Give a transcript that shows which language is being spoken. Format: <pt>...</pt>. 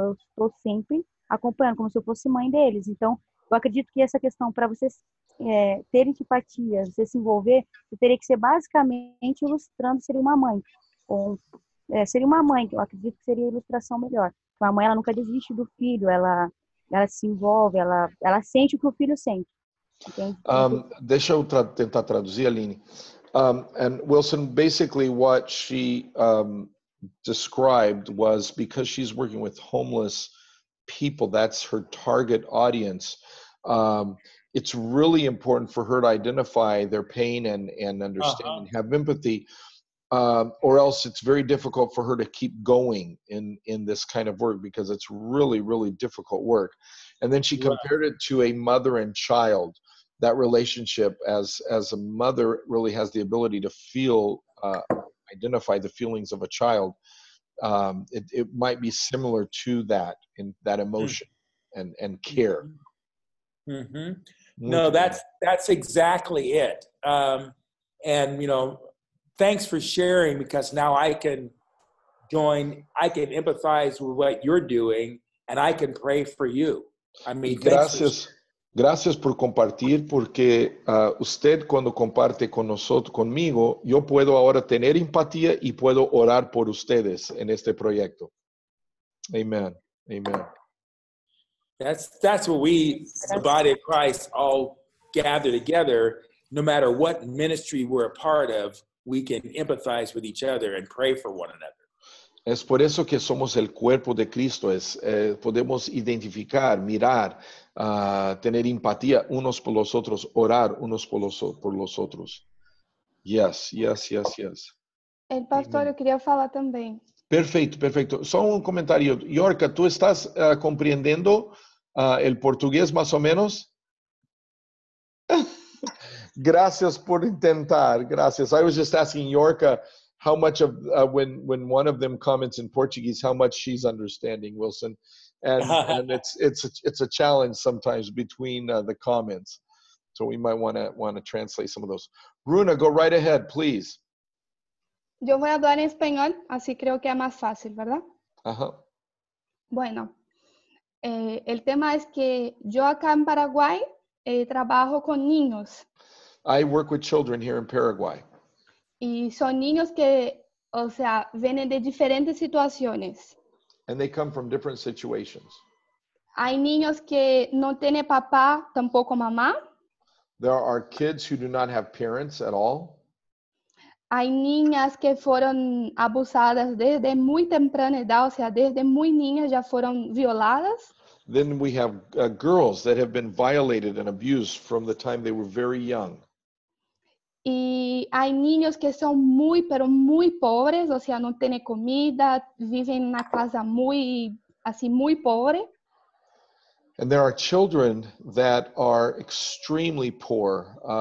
<pt>Eu estou sempre acompanhando, como se eu fosse mãe deles. Então, eu acredito que essa questão, para você ter empatia, você se envolver, você teria que ser basicamente ilustrando, seria uma mãe. Seria uma mãe, eu acredito que seria a ilustração melhor. Uma mãe, ela nunca desiste do filho, ela se envolve, ela sente o que o filho sente. Deixa eu tentar traduzir, Aline.</pt> <en>And Wilson, basically what she described was, because she's working with homeless people, that's her target audience, it's really important for her to identify their pain and understand, uh-huh, and have empathy, or else it's very difficult for her to keep going in this kind of work, because it's really, really difficult work. And then she compared it to a mother and child, that relationship, as a mother really has the ability to feel, identify the feelings of a child. It might be similar to that, in that emotion and care. Mm-hmm. No, that's exactly it. And you know, thanks for sharing, because now I can join. I can empathize with what you're doing, and I can pray for you. I mean,</en> <es>gracias por compartir, porque usted cuando comparte con nosotros, conmigo, yo puedo ahora tener empatía y puedo orar por ustedes en este proyecto.</es> <en>Amen. Amen. That's what we, the body of Christ, all gather together. No matter what ministry we're a part of, we can empathize with each other and pray for one another.</en> <es>Es por eso que somos el cuerpo de Cristo. Podemos identificar, mirar, tener empatía unos por los otros, orar unos por los otros.</es> <en>Yes, yes, yes, yes.</en> <es>El pastor, amen. Yo quería hablar también. Perfecto, perfecto. Só un comentario. Yorka, ¿tú estás comprendiendo el portugués más o menos? Gracias por intentar. Gracias.</es> <en>I was just asking Yorka how much of when one of them comments in Portuguese, how much she's understanding Wilson, and it's a challenge sometimes between the comments. So we might want to translate some of those. Runa, go right ahead, please.</en> <es>Yo voy a hablar en español, así creo que es más fácil, ¿verdad? Ajá. Bueno, el tema es que yo acá en Paraguay trabajo con niños.</es> <en>I work with children here in Paraguay.</en> <es>Y son niños que, o sea, vienen de diferentes situaciones.</es> <en>And they come from different situations.</en> <es>Hay niños que no tienen papá, tampoco mamá.</es> <en>There are kids who do not have parents at all.</en> <es>Hay niñas que fueron abusadas desde muy temprana edad, o sea, desde muy niñas ya fueron violadas.</es> <en>Then we have girls that have been violated and abused from the time they were very young.</en> <es>Y hay niños que son muy, pero muy pobres, o sea, no tienen comida, viven en una casa muy, así, muy pobre.</es> <en>And there are children that are extremely poor.</en>